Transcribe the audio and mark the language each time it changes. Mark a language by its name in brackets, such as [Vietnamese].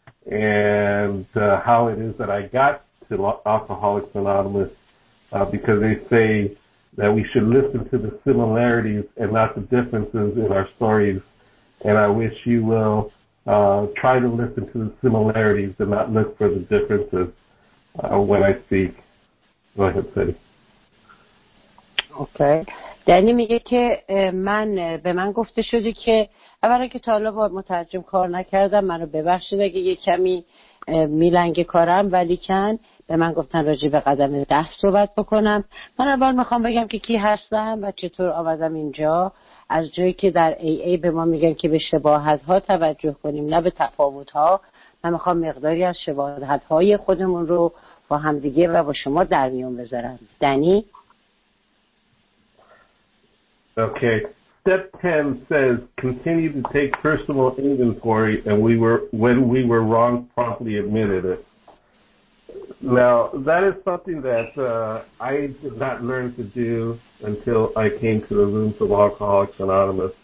[English] And how it is that I got to Alcoholics Anonymous, because they say that we should listen to the similarities and not the differences in our stories. And I wish you will try to listen to the similarities and not look for the differences when I speak. Go ahead, Sadie. Okay. [Persian] دنی میگه که به من گفته شده که اولا که تا حالا با مترجم کار نکردم، منو ببخشید اگه یه کمی میلنگ کارم، ولی کن به من گفتن راجع به قدم 10 صحبت بکنم. من اول میخوام بگم که کی هستم و چطور آمدم اینجا. از جایی که در AA به ما میگن که به شباهت‌ها توجه کنیم نه به تفاوت‌ها، من میخوام مقداری از شباهت‌های خودمون رو با همدیگه و با شما در میون بذارم. دنی؟ [English] Okay. Step 10 says continue to take personal inventory and when we were wrong promptly admitted it. Now, that is something that I did not learn to do until I came to the rooms of Alcoholics Anonymous.